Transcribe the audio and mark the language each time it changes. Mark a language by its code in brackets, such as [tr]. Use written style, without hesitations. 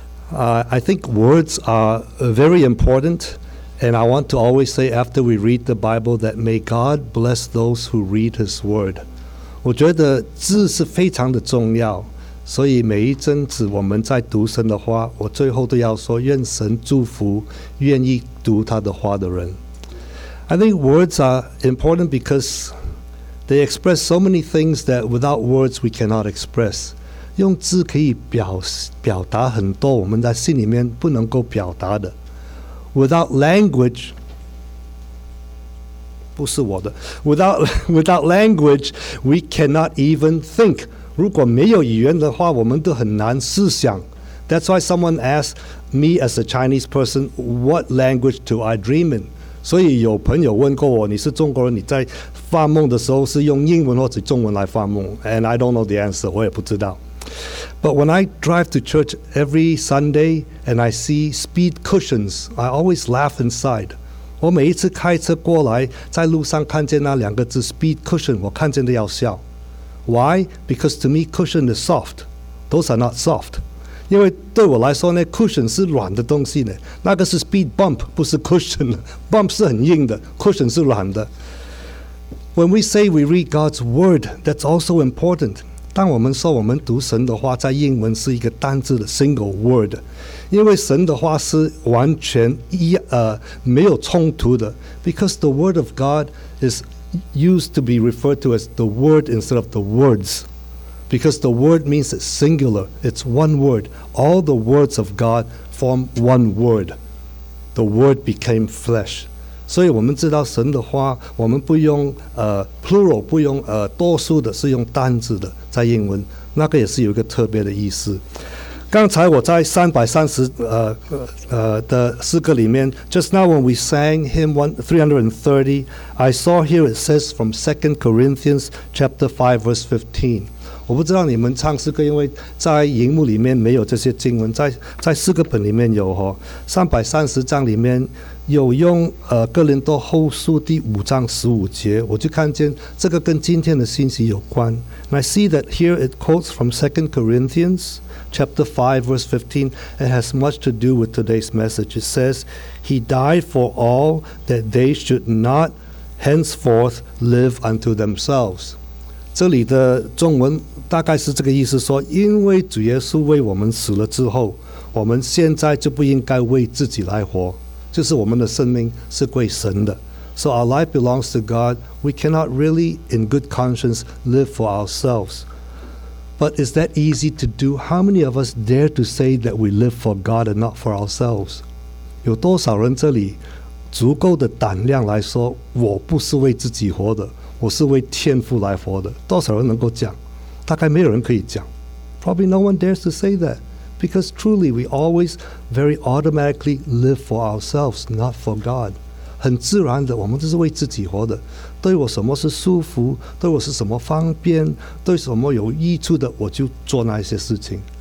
[en] I think words are very important, and I want to always say after we read the Bible that may God bless those who read His word. [zh] 我觉得字是非常的重要，所以每一阵子我们在读神的话，我最后都要说愿神祝福愿意读他的话的人。 [en] I think words are important because they express so many things that without words we cannot express. [zh] 用字可以表达很多我们在心里面不能够表达的。 [en] Without language, [zh] 不是我的。 [en] Without language, we cannot even think. [zh] 如果没有语言的话，我们都很难思想。 [en] That's why someone asked me as a Chinese person, what language do I dream in? [zh] 所以有朋友问过我，你是中国人，你在发梦的时候是用英文或者中文来发梦 [en] ？And I don't know the answer， [zh] 我也不知道。 [en] But when I drive to church every Sunday and I see speed cushions, I always laugh inside。 [zh] 我每一次开车过来，在路上看见那两个字 speed cushion， 我看见都要笑。 [en] Why? Because to me, cushion is soft. Those are not soft。 [zh] 因为对我来说呢 ，cushion 是软的东西呢，那个是 speed bump， 不是 cushion。 bump 是很硬的 ，cushion 是软的。 [en] When we say we read God's word, that's also important。 [zh] 当我们说我们读神的话，在英文是一个单字的 single word， 因为神的话是完全一没有冲突的。 [en] Because the word of God is used to be referred to as the word instead of the words。 Because the word means it's singular, it's one word. All the words of God form one word. The word became flesh. [zh] 所以我们知道神的话，我们不用plural， 不用多数的，是用单字的，在英文，那个也是有一个特别的意思。刚才我在330的诗歌里面 [en] ，just now when we sang hymn 330, I saw here it says from 2 Corinthians chapter 5 verse 15. [zh] 我不知道你们唱诗歌，因为在荧幕里面没有这些经文，在诗歌本里面有哈。 330章里面有用哥林多后书第5:15，我就看见这个跟今天的信息有关。 [en] And I see that here it quotes from 2 Corinthians chapter 5 verse 15. It has much to do with today's message. It says, "He died for all that they should not henceforth live unto themselves." [zh] 这里的中文。大概是这个意思说因为主耶稣为我们死了之后我们现在就不应该为自己来活就是我们的生命是归神的 [en] So our life belongs to God We cannot really in good conscience live for ourselves But is that easy to do? How many of us dare to say that we live for God and not for ourselves? [zh] 有多少人这里足够的胆量来说我不是为自己活的我是为天父来活的多少人能够讲大概没有人可以讲 [en] Probably no one dares to say that because truly we always very automatically live for ourselves not for God [zh] 很自然的我们都是为自己活的对我什么是舒服对我是什么方便对什么有益处的我就做那些事情